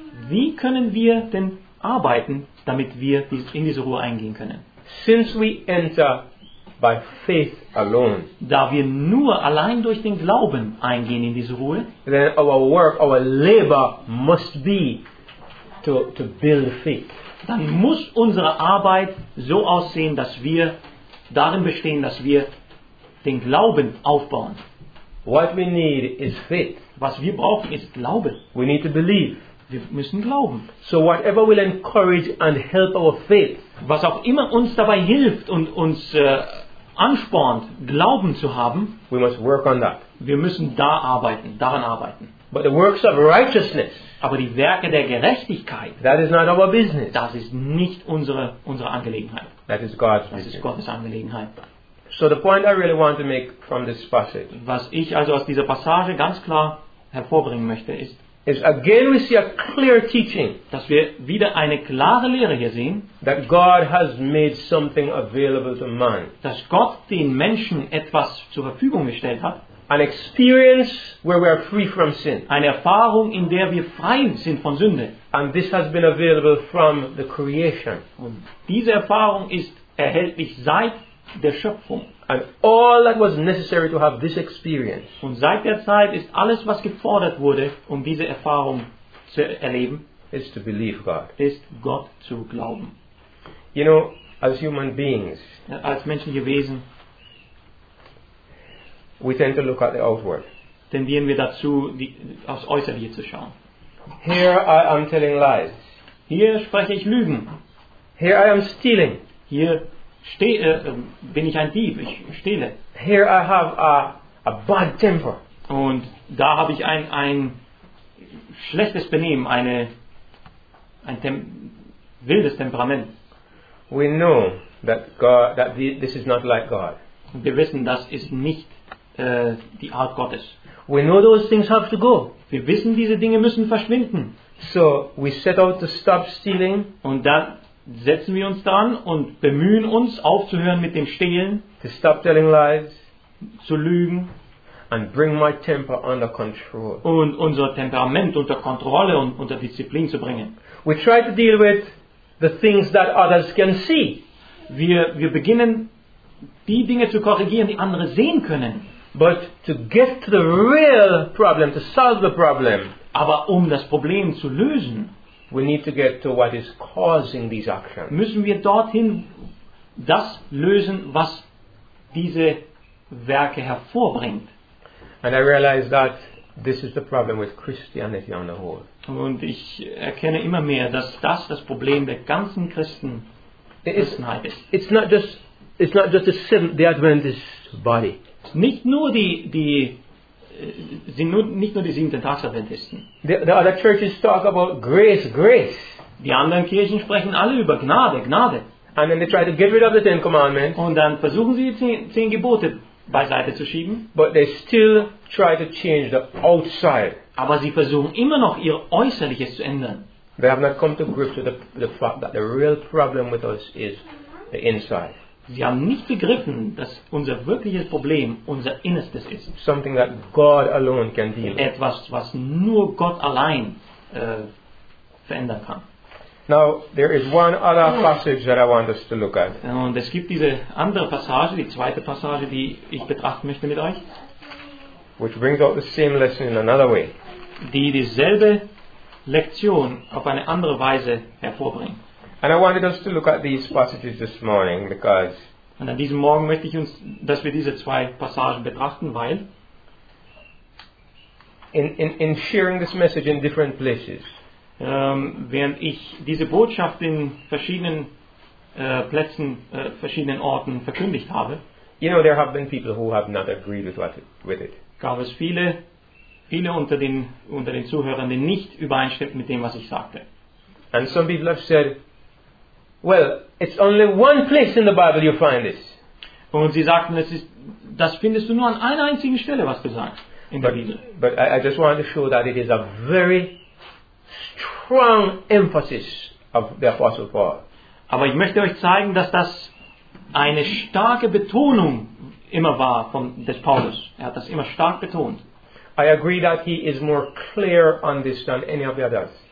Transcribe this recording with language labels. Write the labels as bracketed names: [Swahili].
[German] Wie können wir denn arbeiten, damit wir in diese Ruhe eingehen können? [English] Since we enter by faith alone, [German] da wir nur allein durch den Glauben eingehen in diese Ruhe, [English] then our work, our labor must be to build faith. [German] Dann muss unsere Arbeit so aussehen, dass wir darin bestehen, dass wir den Glauben aufbauen. [English] What we need is faith. [German] Was wir brauchen ist Glaube. [English] We need to believe. [German] Wir müssen glauben. [English] So whatever will encourage and help our faith. [German] Was auch immer uns dabei hilft und uns anspornt, Glauben zu haben. [English] We must work on that. [German] Wir müssen da arbeiten, daran arbeiten. [English] But the works of righteousness. [German] Aber die Werke der Gerechtigkeit. [English] That is not our business. [German] Das ist nicht unsere Angelegenheit. [English] That is God's business. [German] Das ist Gottes Angelegenheit. [English] So the point I really want to make from this passage, [German] was ich also aus dieser Passage ganz klar hervorbringen möchte, ist, [English] is again we see a clear teaching, [German] dass wir wieder eine klare Lehre hier sehen, [English] that God has made something available to man, [German] dass Gott den Menschen etwas zur Verfügung gestellt hat, [English] an experience where we are free from sin, [German] eine Erfahrung, in der wir frei sind von Sünde, [English] and this has been available from the creation. [German] Und diese Erfahrung ist erhältlich seit der Schöpfung. [English] And all that was necessary to have this experience. [German] Und seit der Zeit ist alles, was gefordert wurde, um diese Erfahrung zu erleben, [English] is to believe God. [German] Ist Gott zu glauben. [English] You know, as human beings, [German] als menschliche Wesen, [English] we tend to look at the outward. [German] Tendieren wir dazu, aufs Äußerliche zu schauen. [English] Here I am telling lies. [German] Hier spreche ich Lügen. [English] Here I am stealing. [German] Hier bin ich ein Dieb, ich stehle. [English] Here I have a bad temper. [German] Und da habe ich ein schlechtes Benehmen, wildes Temperament. [English] We know that God, that this is not like God. [German] Wir wissen, das ist nicht die Art Gottes. [English] We know those things have to go. [German] Wir wissen, diese Dinge müssen verschwinden. [English] So we set out to stop stealing. [German] Und dann setzen wir uns dran und bemühen uns, aufzuhören mit dem Stehlen, [English] to stop telling lies, [German] zu lügen, [English] and bring my temper under control, [German] und unser Temperament unter Kontrolle und unter Disziplin zu bringen. [English] We try to deal with the things that others can see. [German] Wir beginnen, die Dinge zu korrigieren, die andere sehen können. [English] But to get to the real problem, to solve the problem, [German] aber um das Problem zu lösen, [English] we need to get to what is causing these actions. [German] Müssen wir dorthin das lösen, was diese Werke hervorbringt. [English] And I realize that this is the problem with Christianity on the whole. [German] Und ich erkenne immer mehr, dass das Problem der ganzen Christenheit ist. [English] It's not just the Seventh-day Adventist body. [German] Nicht nur die siebten Tagsadventisten. [English] The other churches talk about grace, grace. [German] Die anderen Kirchen sprechen alle über Gnade, Gnade. [English] And then they try to get rid of the Ten Commandments. [German] Und dann versuchen sie, die zehn Gebote beiseite zu schieben. [English] But they still try to change the outside. [German] Aber sie versuchen immer noch, ihr Äußerliches zu ändern. [English] They have not come to grips with the fact that the real problem with us is the inside. [German] Sie haben nicht begriffen, dass unser wirkliches Problem unser Innerstes ist. [English] Something that God alone can deal. [German] Etwas, was nur Gott allein verändern kann. [English] Now, there is one other passage that I want us to look at. [German] Und es gibt diese andere Passage, die zweite Passage, die ich betrachten möchte mit euch. [English] Which brings out the same lesson in another way. [German] Die dieselbe Lektion auf eine andere Weise hervorbringt. [English] And I wanted us to look at these passages this morning because. [German] Und an diesem Morgen möchte ich uns, dass wir diese zwei Passagen betrachten, weil. [English] In sharing this message in different places. [German] Während ich diese Botschaft in verschiedenen Plätzen, verschiedenen Orten verkündigt habe. [English] You know, there have been people who have not agreed with it. [German] Gab es viele unter den Zuhörern, die nicht übereinstimmten mit dem, was ich sagte. [English] And some people have said, well, it's only one place in the Bible you find this. [German] Und sie sagten, das findest du nur an einer einzigen Stelle, was du sagst, in der Bibel. [English] But I just want to show that it is a very strong emphasis of the Apostle Paul. [German] Aber ich möchte euch zeigen, dass das eine starke Betonung immer war von des Paulus. Er hat das immer stark betont. [English] I agree that he is more clear on this than any of the others.